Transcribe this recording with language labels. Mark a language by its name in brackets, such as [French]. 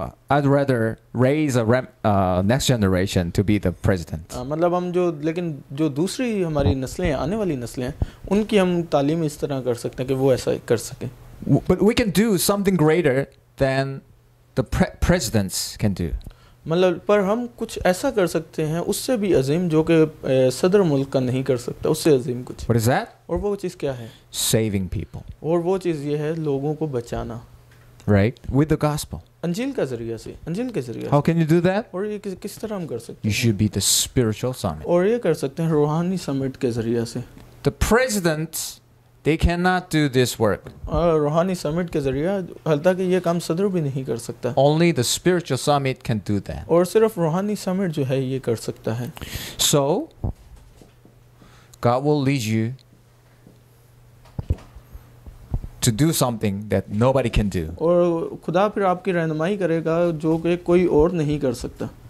[English] I'd rather raise a next generation to be the president. [Hindi] मतलब हम जो लेकिन जो दूसरी हमारी नस्लें हैं आने वाली नस्लें हैं उनकी हम तालीम इस तरह कर सकते हैं कि वो ऐसा कर सकें. [English] But we can do something greater than the presidents can do. [Hindi] मतलब पर हम कुछ ऐसा कर सकते हैं उससे भी अजीम जो कि सदर मुल्क का नहीं कर सकता उससे अजीम कुछ. [English] What is that? [Hindi] और वो चीज क्या है? [English] Saving people. [Hindi] और वो चीज ये है लोगों को बचाना. [English] Right? With the gospel. [Hindi] अंजील का जरिया से. अंजील के जरिया. [English] How can you do that? [Hindi] और ये किस तरह हम कर सकते हैं? [English] You should be the spiritual summit. [Hindi] और ये कर सकते हैं रूहानी समिट के जरिया से. [English] The presidents, they cannot do this work. [Hindi] रूहानी समिट के जरिया हल्ता कि ये काम सदर भी नहीं कर सकता. [English] Only the spiritual summit can do that. [Hindi] और सिर्फ रूहानी समिट जो है ये कर सकता है. [English] So, God will lead you to do something that nobody can do. [Hindi] और खुदा फिर आपकी रहनुमाई करेगा जो कि कोई और नहीं कर सकता.